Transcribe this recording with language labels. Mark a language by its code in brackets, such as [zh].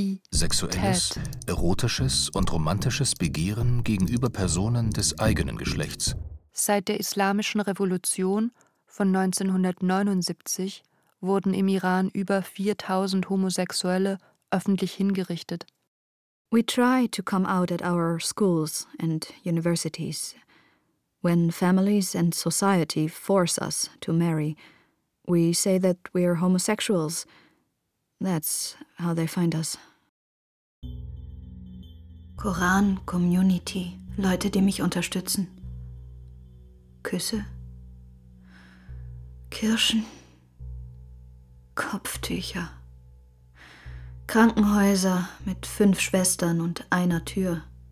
[de] Sexuelles, erotisches und romantisches Begehren gegenüber Personen des eigenen Geschlechts. Seit der Islamischen Revolution von 1979 wurden im Iran über 4000 Homosexuelle öffentlich hingerichtet. [en] We try to come out at our schools and universities. When families and society force us to marry, we say that we are homosexuals. That's how they find us. [de] Koran, Community, Leute, die mich unterstützen. Küsse. Kirschen. Kopftücher. Krankenhäuser mit 5 Schwestern und einer Tür.